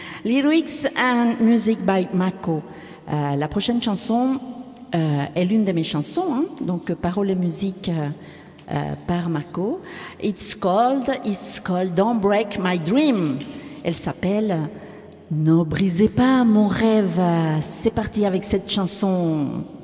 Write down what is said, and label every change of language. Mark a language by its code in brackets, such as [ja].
[en] Lyrics and music by Marco. [fr] La prochaine chanson est l'une de mes chansons, hein? Donc paroles et musique par Marco. [en] It's called Don't Break My Dream. [fr] Elle s'appelle Ne brisez pas mon rêve. C'est parti avec cette chanson.